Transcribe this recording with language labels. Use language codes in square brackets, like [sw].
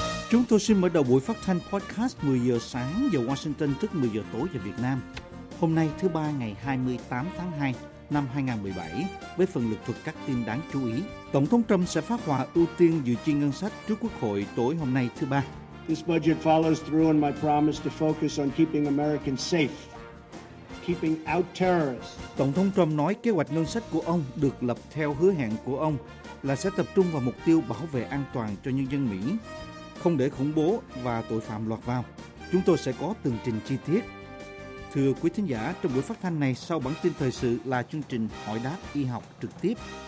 [vi] Chúng tôi xin mở đầu buổi phát thanh podcast 10 giờ sáng giờ Washington, tức 10 giờ tối giờ Việt Nam. Hôm nay thứ ba ngày 28 tháng 2 năm 2017 với phần lược thuật các tin đáng chú ý. Tổng thống Trump sẽ phát họa ưu tiên dự chi ngân sách trước Quốc hội tối hôm nay thứ ba. [en] This budget follows through on my promise to focus on keeping Americans safe, keeping out terrorists. [vi] Tổng thống Trump nói kế hoạch ngân sách của ông được lập theo hứa hẹn của ông là sẽ tập trung vào mục tiêu bảo vệ an toàn cho nhân dân Mỹ, không để khủng bố và tội phạm lọt vào. Chúng tôi sẽ có tường trình chi tiết. Thưa quý thính giả, trong buổi phát thanh này sau bản tin thời sự là chương trình hỏi đáp y học trực tiếp.